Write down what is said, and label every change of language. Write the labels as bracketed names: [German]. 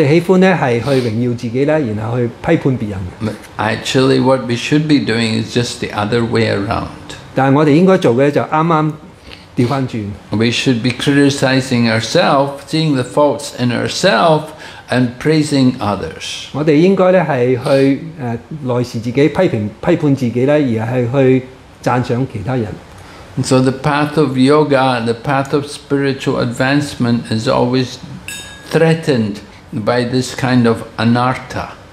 [English] actually, what we should be doing is just the other way around. We should be criticizing ourselves, seeing the faults in ourselves, and praising others. [Chinese] 我们应该是去内视自己，批判自己，而是去赞赏其他人。 [English] And so the path of yoga, the path of spiritual advancement is always threatened by this kind of anartha.